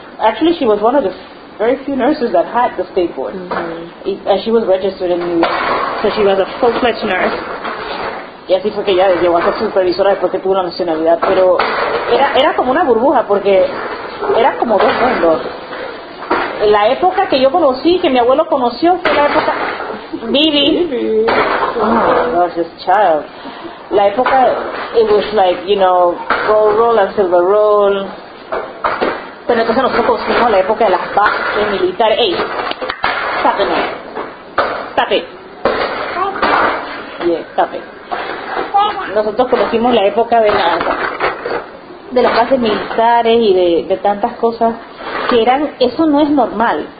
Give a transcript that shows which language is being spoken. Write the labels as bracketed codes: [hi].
[en] Actually, she was one of the very few nurses that had the state board. And she was registered in New York, so she was a full-fledged nurse. [es] Y así fue que ella llegó a ser supervisora después que tuvo la nacionalidad. Pero era como una burbuja, porque era como dos mundos. La época que yo conocí, que mi abuelo conoció, fue la época Bibi. [en] Oh, God, this child. [es] La época, [en] it was like, you know, gold roll and silver roll. [es] Pero entonces nosotros conocimos la época de las bases militares. [en] Hey, stop it. Stop it. Yeah, stop it. [es] Nosotros conocimos la época de las bases militares y de tantas cosas que eran, eso no es normal.